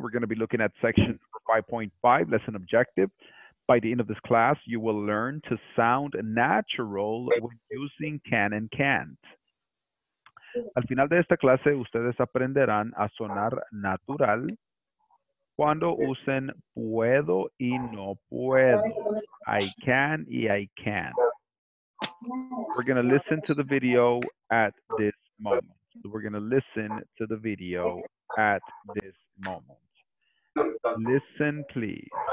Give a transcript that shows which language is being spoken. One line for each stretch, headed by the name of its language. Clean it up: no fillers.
English: We're going to be looking at section 5.5, lesson objective. By the end of this class, you will learn to sound natural when using can and can't.
Spanish: Al final de esta clase, ustedes aprenderán a sonar natural cuando usen puedo y no puedo.
English: I can y I can't. We're going to listen to the video at this moment. We're going to listen to the video at this moment. Listen, please.